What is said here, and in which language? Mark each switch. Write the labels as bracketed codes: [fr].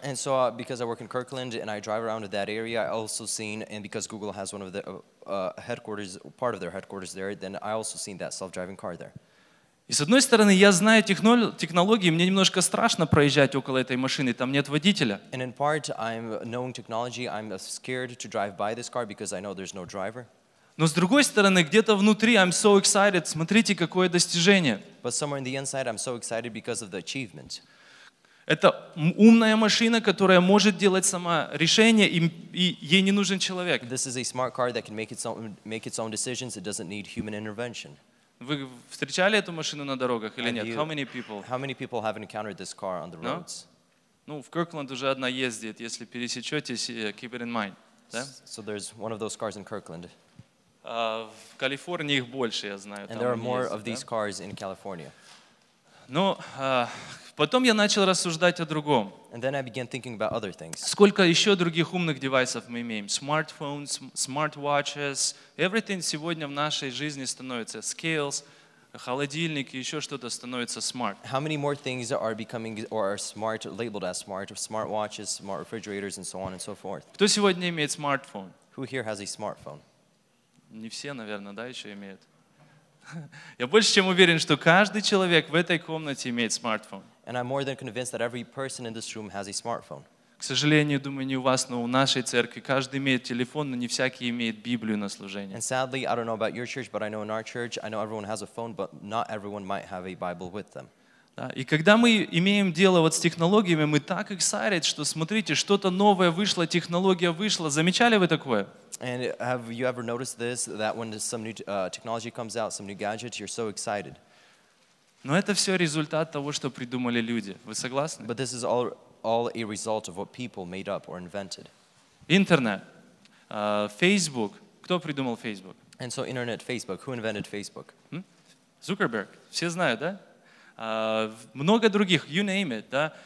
[en] And so because I work in Kirkland and I drive around that area, I also seen, and because Google has one of the headquarters, part of their headquarters there, then I also seen that self-driving car there. [ru] И с одной стороны, я знаю технологии, мне немножко страшно проезжать около этой машины, там нет водителя. [en] And in part, I'm knowing technology, I'm scared to drive by this car because I know there's no driver. [ru] Но с другой стороны, где-то внутри, [en] I'm so excited, [ru] смотрите, какое достижение. [en] But somewhere in the inside, I'm so excited because of the achievement. [ru] Это умная машина, которая может делать сама решение, и ей не нужен человек. [en] This is a smart car that can make its own decisions, it doesn't need human intervention. [ru] Вы встречали эту машину на дорогах или нет? [en] How many people have encountered this car on the roads? [ru] Ну, в Kirkland уже одна ездит. Если пересечетесь, [en] keep it in mind. So there's one of those cars in Kirkland. [ru] В Калифорнии их больше, я знаю. [en] And there are more of these cars in California. [ru] Но потом я начал рассуждать о другом. [en] And then I began thinking about other things. [ru] Сколько еще других умных девайсов мы имеем? [en] Smartphones, smartwatches. [ru] Everything сегодня в нашей жизни становится scales, холодильник и еще что-то становится smart. [en] How many more things are becoming or are smart, labeled as smart? Smartwatches, smart refrigerators and so on and so forth. [ru] Кто сегодня имеет смартфон? [en] Who here has a smartphone? [ru] Не все, наверное, да, еще имеют. Я больше чем уверен, что каждый человек в этой комнате имеет смартфон. [en] And I'm more than convinced that every person in this room has a smartphone. [ru] К сожалению, думаю, не у вас, но у нашей церкви каждый имеет телефон, но не всякий имеет Библию на служение. [en] And sadly, I don't know about your church, but I know in our church, I know everyone has a phone, but not everyone might have a Bible with them. [ru] Да, и когда мы имеем дело вот с технологиями, мы так excited, что смотрите, что-то новое вышло, технология вышла. Замечали вы такое? [en] And have you ever noticed this, that when some new technology comes out, some new gadget, you're so excited? [ru] Но это все результат того, что придумали люди. Вы согласны? [en] But this is all a result of what people made up or invented. [ru] Интернет, Facebook. Кто придумал Facebook? [en] And so Internet, Facebook. Who invented Facebook? [ru] Zuckerberg. Все знают, да? Много других, [en] you name it, [ru] да?